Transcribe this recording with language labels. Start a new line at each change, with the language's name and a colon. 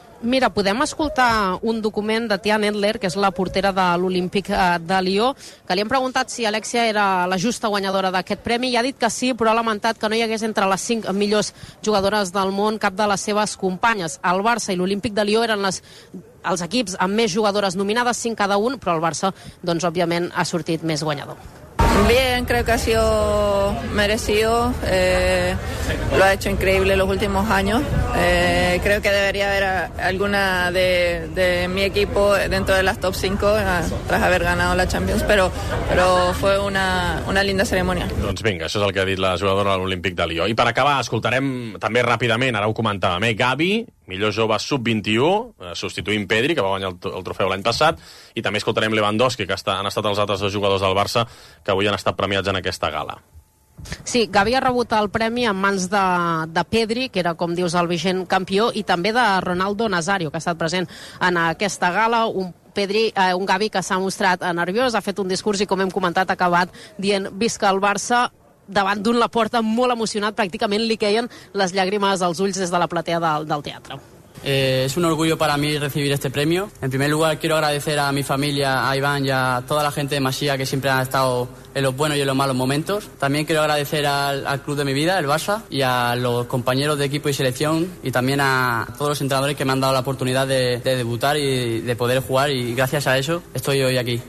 Catalan: Mira, podem escoltar un document de Tian Endler, que és la portera de l'Olímpic de Lió, que li han preguntat si Alexia era la justa guanyadora d'aquest premi, i ha dit que sí, però ha lamentat que no hi hagués entre les 5 millors jugadores del món cap de les seves companyes. El Barça i l'Olímpic de Lió eren els equips amb més jugadores nominades, 5 cada un, però el Barça, doncs, òbviament, ha sortit més guanyador.
Spanish: Bien, creo que ha sido merecido, lo ha hecho increíble los últimos años, creo que debería haber alguna de mi equipo dentro de las top 5 tras haber ganado la Champions, pero fue una linda ceremonia.
Catalan: Doncs vinga, això és el que ha dit la jugadora de l'Olímpic de Lió. I per acabar, escoltarem també ràpidament, ara ho comentàvem, Gavi, millor jove sub-21, substituint Pedri, que va guanyar el trofeu l'any passat, i també escoltarem Lewandowski, que han estat els altres dos jugadors del Barça que avui han estat premiats en aquesta gala. Sí, Gavi ha rebut el premi en mans de Pedri, que era, com dius, el vigent campió, i també de Ronaldo Nazario, que ha estat present en aquesta gala. Un Gavi que s'ha mostrat nerviós, ha fet un discurs i, com hem comentat, ha acabat dient visca el Barça, davant d'un Laporta molt emocionat, pràcticament li queien les llàgrimes als ulls des de la platea del teatre.
Spanish: Es un orgullo para mí recibir este premio. En primer lugar, quiero agradecer a mi familia, a Iván y a toda la gente de Masía que siempre han estado en los buenos y en los malos momentos. También quiero agradecer al club de mi vida, el Barça, y a los compañeros de equipo y selección, y también a todos los entrenadores que me han dado la oportunidad de debutar y de poder jugar, y gracias a eso estoy hoy aquí.